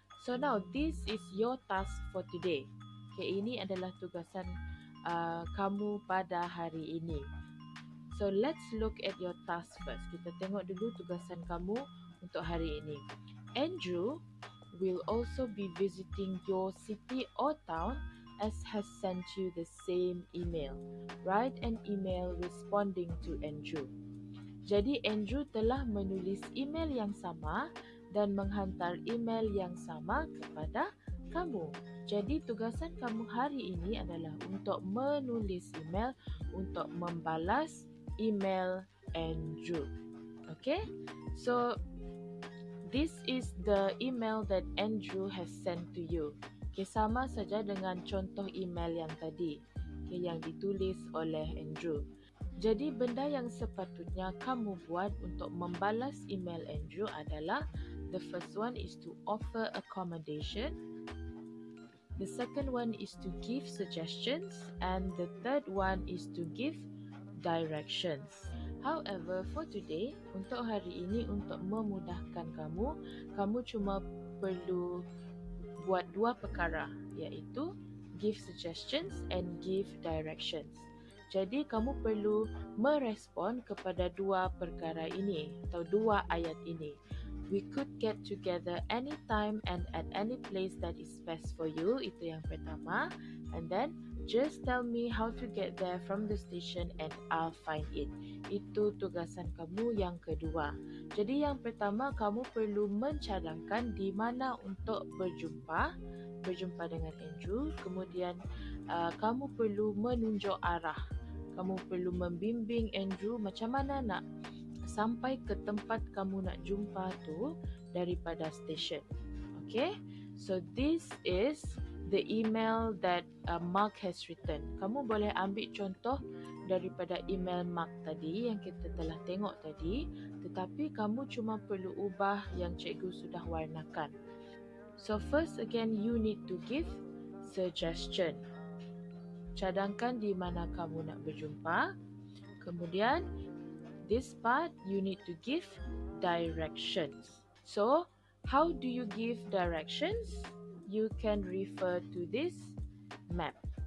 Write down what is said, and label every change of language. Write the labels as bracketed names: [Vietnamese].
[English] So now, this is your task for today. [Malay] Okay, ini adalah tugasan kamu pada hari ini. [English] So let's look at your task first. [Malay] Kita tengok dulu tugasan kamu untuk hari ini. [English] Andrew will also be visiting your city or town S has sent you the same email. Write an email responding to Andrew. [Malay] Jadi Andrew telah menulis email yang sama dan menghantar email yang sama kepada kamu. Jadi tugasan kamu hari ini adalah untuk menulis email untuk membalas email Andrew. [English] Okay? So this is the email that Andrew has sent to you. [Malay] Okay, sama saja dengan contoh email yang tadi, okay, yang ditulis oleh Andrew. Jadi benda yang sepatutnya kamu buat untuk membalas email Andrew adalah [English] the first one is to offer accommodation. The second one is to give suggestions and the third one is to give directions. However, for today, [Malay] untuk hari ini untuk memudahkan kamu, kamu cuma perlu buat dua perkara iaitu [English] give suggestions and give directions. [Malay] Jadi kamu perlu merespon kepada dua perkara ini atau dua ayat ini. [English] We could get together anytime and at any place that is best for you. [Malay] Itu yang pertama. [English] And then, just tell me how to get there from the station and I'll find it. [Malay] Itu tugasan kamu yang kedua. Jadi yang pertama, kamu perlu mencadangkan di mana untuk berjumpa dengan Andrew. Kemudian, kamu perlu menunjuk arah. Kamu perlu membimbing Andrew macam mana nak sampai ke tempat kamu nak jumpa tu daripada station. [English] Okay, so this is the email that Mark has written. [Malay] Kamu boleh ambil contoh daripada email Mark tadi yang kita telah tengok tadi, tetapi kamu cuma perlu ubah yang cikgu sudah warnakan. [English] So first again, you need to give suggestion. [Malay] Cadangkan di mana kamu nak berjumpa. Kemudian, [English] this part, you need to give directions. So, how do you give directions? You can refer to this map.